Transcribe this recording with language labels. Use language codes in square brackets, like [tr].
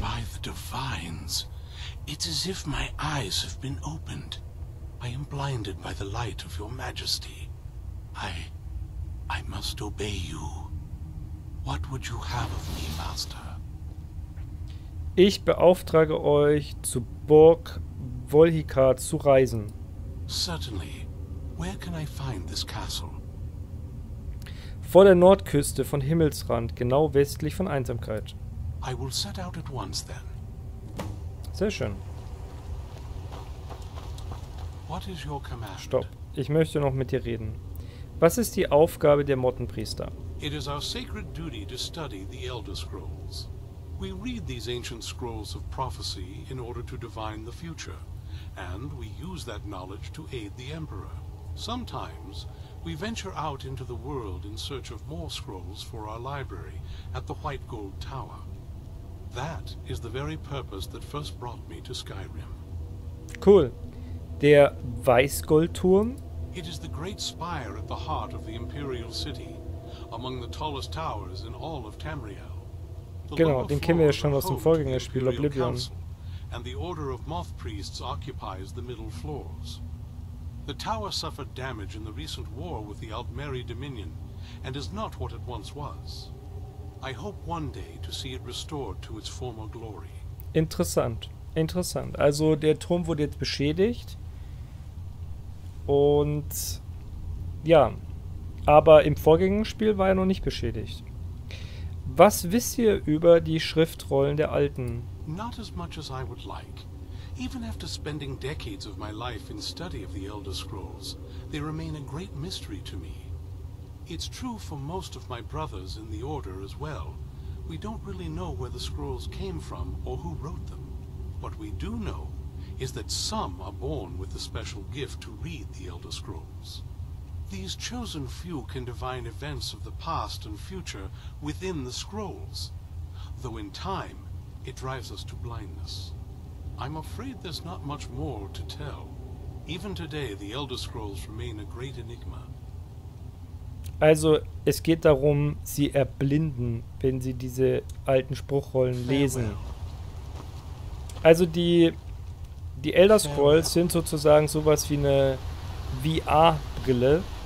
[en] By the divines, it's as if my eyes have been opened. I am blinded by the light of your majesty. I must obey you. What would you have of me, master? [de] Ich beauftrage euch, zu Burg Volhikar zu reisen. [en] Certainly. Where can I find this castle? [de] Vor der Nordküste von Himmelsrand, genau westlich von Einsamkeit. [en] I will set out at once then. [de] Sehr schön. [en] What is your command? [de] Stopp, ich möchte noch mit dir reden. Was ist die Aufgabe der Mottenpriester? [en] It is our sacred duty to study the Elder Scrolls. We read these ancient scrolls of prophecy in order to divine the future, and we use that knowledge to aid the Emperor. Sometimes we venture out into the world in search of more scrolls for our library at the White Gold Tower. That is the very purpose that first brought me to Skyrim. [de] Cool. Der Weißgoldturm? [en] It is the great spire at the heart of the Imperial City, among the tallest towers in all of Tamriel. [de] Genau, den kennen wir ja schon aus dem Vorgängerspiel Oblivion. [en] And the order of moth priests occupies the middle floors. The tower suffered damage in the recent war with the Altmeri Dominion and is not what it once was. I hope one day to see it restored to its former glory. [de] Interessant. Interessant. Also der Turm wurde jetzt beschädigt. Und ja, aber im Vorgängerspiel war er noch nicht beschädigt. Was wisst ihr über die Schriftrollen der Alten? [en] Not as much as I would like. Even after spending decades of my life in study of the Elder Scrolls, they remain a great mystery to me. It's true for most of my brothers in the Order as well. We don't really know where the scrolls came from or who wrote them. What we do know is that some are born with the special gift to read the Elder Scrolls. These chosen few can divine events of the past and future within the scrolls. Though in time, it drives us to blindness. I'm afraid there's not much more to tell. Even today, the Elder Scrolls remain a great enigma. [de] Also, es geht darum, sie erblinden, wenn sie diese alten Spruchrollen lesen. Also die Elder Scrolls sind sozusagen sowas wie eine VR-Brille.